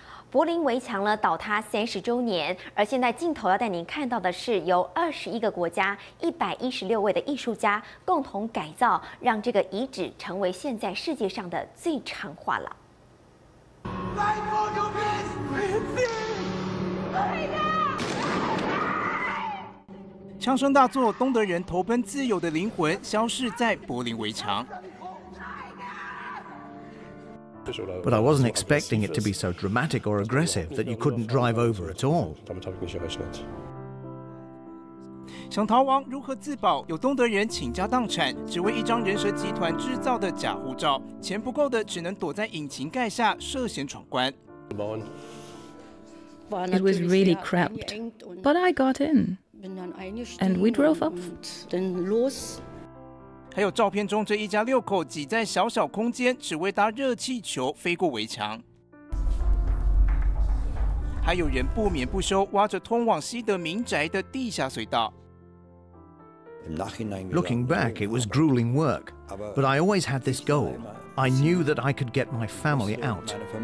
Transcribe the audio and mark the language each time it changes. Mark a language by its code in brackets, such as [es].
[zh] 柏林围墙呢倒塌30周年，而现在镜头要带您看到的是由21个国家、116位的艺术家共同改造，让这个遗址成为现在世界上的最长画廊。枪声大作，东德人投奔自由的灵魂消失在柏林围墙。 [en] But I wasn't expecting it to be so dramatic or aggressive that you couldn't drive over at all. [zh] 想逃亡如何自保？有东德人倾家荡产，只为一张人蛇集团制造的假护照，钱不够的只能躲在引擎盖下涉嫌闯关。 [en] It was really cramped, but I got in, and we drove up. Then lost. [zh] 还有照片中这一家六口挤在小小空间，只为搭热气球飞过围墙。还有人不眠不休挖着通往西德民宅的地下隧道。 [en] Looking back, it was grueling work, but I always had this goal. I knew that I could get my family out.